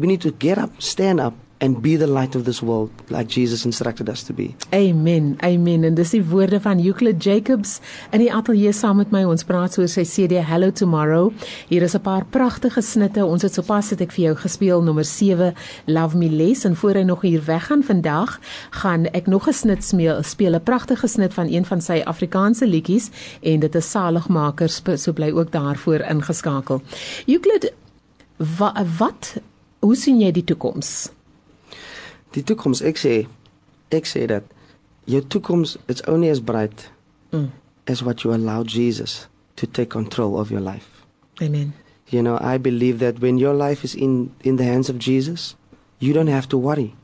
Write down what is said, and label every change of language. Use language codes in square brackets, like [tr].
[en] We need to get up, stand up, and be the light of this world like Jesus instructed us to be. [af] Amen. Amen. En dis die woorde van Euclid Jacobs in die ateljee saam met my. Ons praat oor sy CD Hello Tomorrow. Hier is 'n paar pragtige snitte. Ons het sopas het ek vir jou gespeel nommer 7 Love Me Less, en voor hy nog hier weggaan vandag, gaan ek nog 'n snit speel, 'n pragtige snit van een van sy Afrikaanse liedjies, en dit is Saligmaker, so bly ook daarvoor ingeskakel. Euclid, wat hoe sien jy die toekoms? Die toekoms, ek sê dat jou toekoms, [en] it's only as bright as what you allow Jesus to take control of your life. Amen. You know, I believe that when your life is in the hands of Jesus, you don't have to worry.